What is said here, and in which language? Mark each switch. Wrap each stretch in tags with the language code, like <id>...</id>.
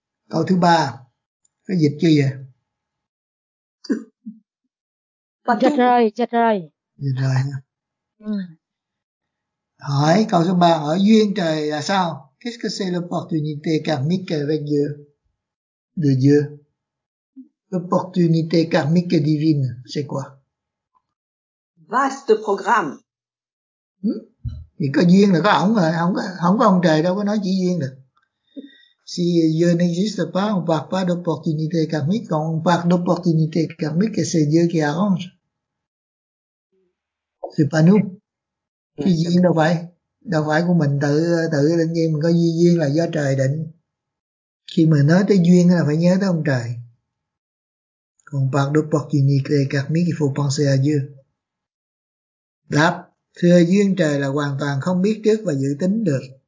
<vi>Câu thứ ba, cái dịch chưa vậy? Chết rồi. Ừ. Hỏi câu số 3, hỏi duyên trời là sao?</vi> <fr>Qu'est-ce que c'est l'opportunité karmique avec Dieu? De Dieu. L'opportunité karmique divine, c'est quoi? Vaste programme.</fr> <vi>Thì có duyên là có ổng rồi, không có ông trời đâu có nói chỉ duyên được.</vi> <fr>Si Dieu n'existe pas, on parle pas d'opportunité karmique. Quand on parle d'opportunité karmique, c'est Dieu qui arrange. C'est pas nous.</fr> <vi>Cái duyên đâu phải của mình tự lên duyên. Mình có duyên là do trời định. Khi mà nói tới duyên là phải nhớ tới ông trời. Còn bạc đốt bọc duyên thì các miếng thì phụ bọn xe dư. Đáp, thưa, duyên trời là hoàn toàn không biết trước và dự tính được.</vi>